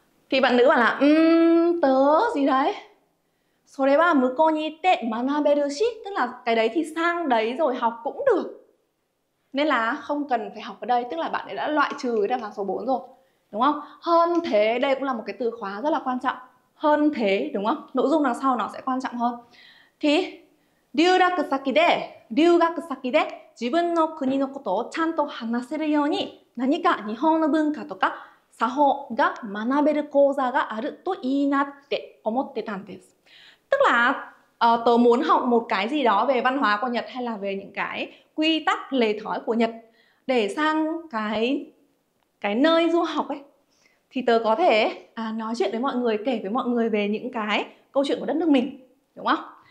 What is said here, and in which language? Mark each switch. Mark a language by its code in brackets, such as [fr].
[vi] Thì bạn nữ bảo là tớ gì đấy? [ja] Sore wa mukou ni itte manaberu shi. [vi] Tức là cái đấy thì sang đấy rồi học cũng được. Nên là không cần phải học ở đây. Tức là bạn ấy đã loại trừ cái đáp án số 4 rồi, đúng không? Hơn thế, đây cũng là một cái từ khóa rất là quan trọng. Hơn thế, đúng không? Nội dung đằng sau nó sẽ quan trọng hơn. [ja] Thì 留学先で留学先で自分の国のことをちゃんと話せるように何か日本の文化とか作法が学べる講座があるといいなって思ってたんです。 [vi] Tức là tớ muốn học một cái gì đó về văn hóa của Nhật hay là về những cái quy tắc lề thói của Nhật để sang cái nơi du học ấy, thì tớ có thể nói chuyện với mọi người, kể với mọi người về những cái câu chuyện của đất nước mình, đúng không?